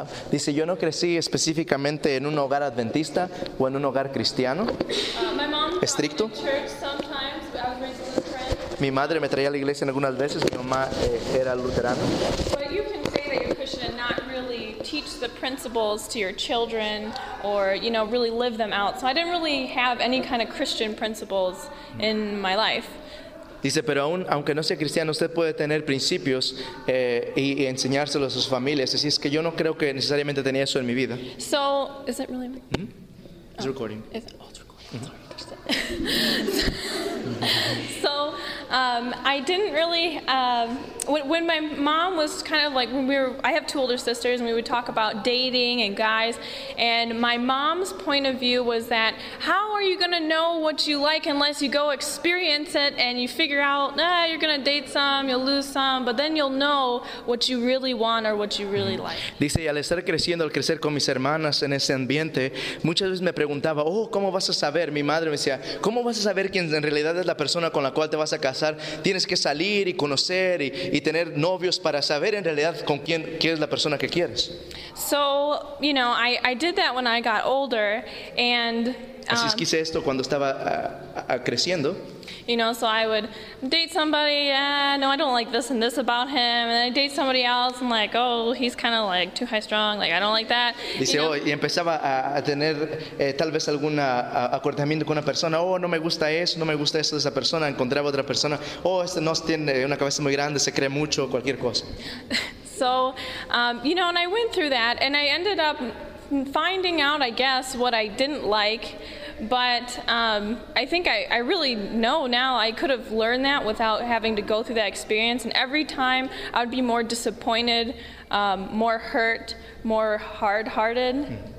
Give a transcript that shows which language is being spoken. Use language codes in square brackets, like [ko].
[es] Dice, yo no crecí específicamente en un hogar adventista o en un hogar cristiano. [en] My mom [es] estricto. [en] Taught me in church sometimes, but I was raised Lutheran. [es] Mi madre me traía a la iglesia en algunas veces, mi mamá era luterana. [en] But you can say that you're Christian and not really teach the principles to your children or, you know, really live them out. So I didn't really have any kind of Christian principles in my life. [es] Dice, pero aunque no sea cristiano, usted puede tener principios y enseñárselos a sus familias. Así es que yo no creo que necesariamente tenía eso en mi vida. [en] So, is it really? Mm-hmm. It's recording. Is it? Oh, it's recording. Mm-hmm. Sorry, there's it. So, I didn't really, when my mom was kind of like, I have two older sisters, and we would talk about dating and guys, and my mom's point of view was that, how are you going to know what you like unless you go experience it and you figure out, you're going to date some, you'll lose some, but then you'll know what you really want or what you really like. [es] Dice, y al estar creciendo, al crecer con mis hermanas en ese ambiente, muchas veces me preguntaba, oh, ¿cómo vas a saber? Mi madre me decía, ¿cómo vas a saber quién en realidad es la persona con la cual te vas a casar? Tienes que salir y conocer y tener novios para saber en realidad con quién es la persona que quieres. [en] So, you know, I did that when I got older and [es] así es que hice esto cuando estaba creciendo. [en] You know, so I would date somebody, no, I don't like this and this about him, and I date somebody else, I'm like, oh, he's kind of like too high strung, like I don't like that. [es] Dice, oh, y empezaba a tener tal vez algún acortamiento con una persona, oh, no me gusta eso, no me gusta eso de esa persona, encontraba otra persona, oh, este no tiene una cabeza muy grande, se cree mucho, cualquier cosa. [en] So, you know, and I went through that, and I ended up finding out, I guess, what I didn't like, but I think I really know now I could have learned that without having to go through that experience, and every time I would be more disappointed, more hurt, more hard-hearted.